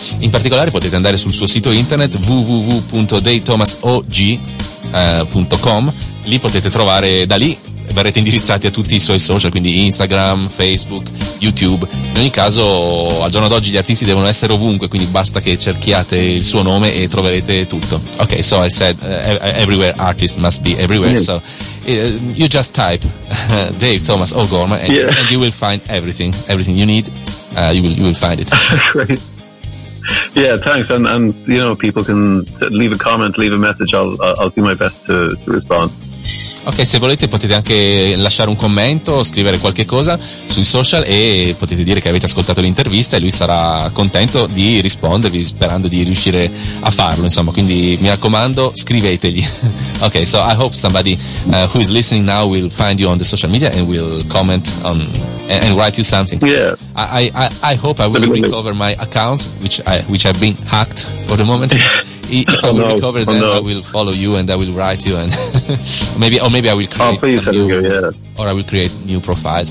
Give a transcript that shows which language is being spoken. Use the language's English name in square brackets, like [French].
[Italian] In particolare potete andare sul suo sito internet www.daythomasog.com. Lì potete trovare, da lì verrete indirizzati a tutti i suoi social, quindi Instagram, Facebook, YouTube. In ogni caso, al giorno d'oggi gli artisti devono essere ovunque, quindi basta che cerchiate il suo nome e troverete tutto. [English] Ok, so I said everywhere, artist must be everywhere. Yeah. So you just type Dave Thomas O'Gorman and you will find everything you need. You will find it. Great. Yeah, thanks. And you know, people can leave a comment, leave a message. I'll do my best to respond. [Italian] Ok, se volete potete anche lasciare un commento, scrivere qualche cosa sui social e potete dire che avete ascoltato l'intervista e lui sarà contento di rispondervi, sperando di riuscire a farlo, insomma. Quindi mi raccomando, scrivetegli. [English] Ok, so I hope somebody who is listening now will find you on the social media and will comment on and write you something. Yeah. I hope I will recover my account, which have been hacked for the moment. If I will recover, then I will follow you and I will write you, and maybe I will create or I will create new profiles.